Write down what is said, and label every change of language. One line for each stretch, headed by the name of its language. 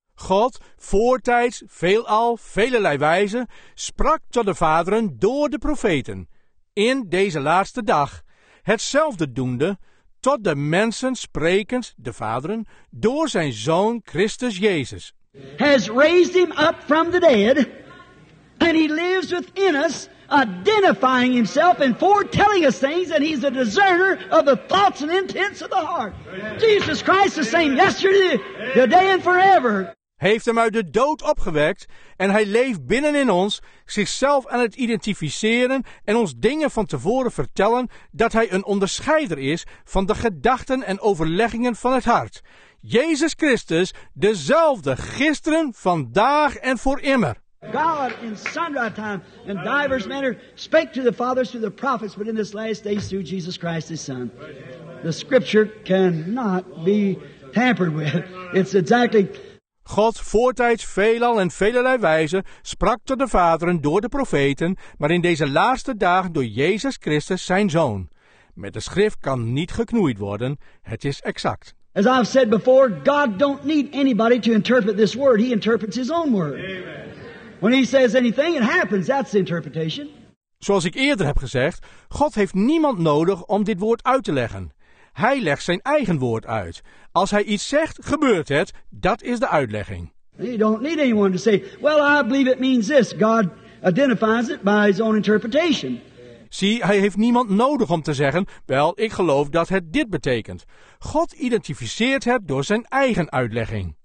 Dutch: God, voortijds, veelal, velerlei wijze, sprak tot de vaderen door de profeten. In deze laatste dag. Hetzelfde doende, tot de mensen sprekend, de vaderen, door zijn zoon Christus Jezus.
English: Has raised him up from the dead, and he lives within us, identifying himself and foretelling us things, and he's a discerner of the thoughts and intents of the heart. Jesus Christ, the same yesterday, today and forever.
Dutch: heeft hem uit de dood opgewekt en hij leeft binnenin ons, zichzelf aan het identificeren en ons dingen van tevoren vertellen dat hij een onderscheider is van de gedachten en overleggingen van het hart. Jezus Christus, dezelfde gisteren, vandaag en voor immer.
English: God in sundry time in divers manner spake to the fathers through the prophets, but in this last day through Jesus Christ his Son. The scripture cannot be tampered with. It's exactly.
Dutch: God voortijds veelal en velerlei wijze sprak tot de vaderen door de profeten, maar in deze laatste dagen door Jezus Christus zijn Zoon. Met de schrift kan niet geknoeid worden, het is exact.
English: As I've said before, God don't need anybody to interpret this word. He interprets his own word. Amen. When he says anything, it happens. That's the interpretation.
Dutch: Zoals ik eerder heb gezegd, God heeft niemand nodig om dit woord uit te leggen. Hij legt zijn eigen woord uit. Als hij iets zegt, gebeurt het. Dat is de uitlegging.
English: You don't need anyone to say, well, I believe it means this. God identifies it by his own interpretation.
Dutch: Zie, hij heeft niemand nodig om te zeggen, wel, ik geloof dat het dit betekent. God identificeert het door zijn eigen uitlegging.